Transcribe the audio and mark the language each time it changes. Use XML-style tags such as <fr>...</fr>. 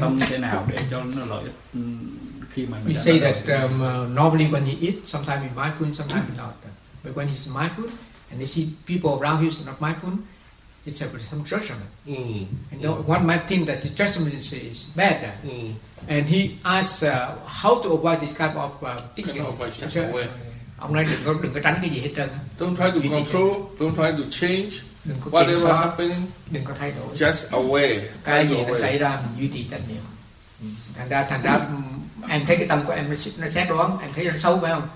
<vi>tâm thế nào để cho nó lợi ích khi mà</vi> <en>mình say that normally when you eat, sometimes you're mindful, sometimes you're not. But when he's mindful and they see people around him not mindful, it's about some judgment. And one might think that the judgment is bad. And he asks how to avoid this kind of thinking.</en> <vi>Ông nói đừng có tránh cái gì hết trơn.</vi> <en>Don't try to control. Don't try to change. Whatever happening,</en> <vi>đừng có thay đổi.</vi> <en>Just aware.</en> <vi>Cái gì nó xảy ra mình duy trì tâm niệm. Thành ra em thấy cái tâm của em nó xét đoán, em thấy nó xấu phải không?</vi>